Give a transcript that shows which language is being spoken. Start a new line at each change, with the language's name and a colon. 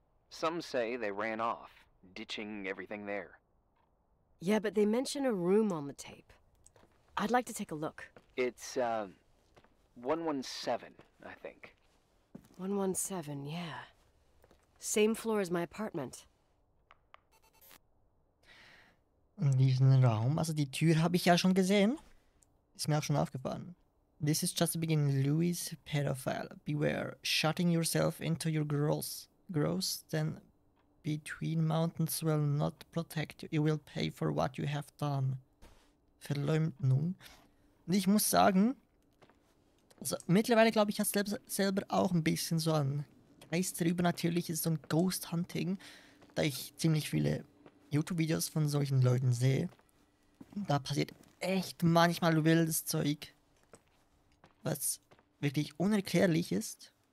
English: Some say they ran off, ditching everything there. Yeah, but they mention a room on the tape. I'd like to take a look. It's, 117, I think. 117, yeah. Same floor as my apartment.
German: In diesen Raum, also die Tür habe ich ja schon gesehen. Ist mir auch schon aufgefallen.
English: This is just the beginning, Louis pedophile. Beware, shutting yourself into your gross, then between mountains will not protect you. You will pay for what you have done.
German: Verleumdung. Und ich muss sagen, also mittlerweile glaube ich, hat es selber auch ein bisschen so ein Geister übernatürliches, so ein Ghosthunting, da ich ziemlich viele YouTube-Videos von solchen Leuten sehe. Da passiert echt manchmal wildes Zeug, was wirklich unerklärlich ist.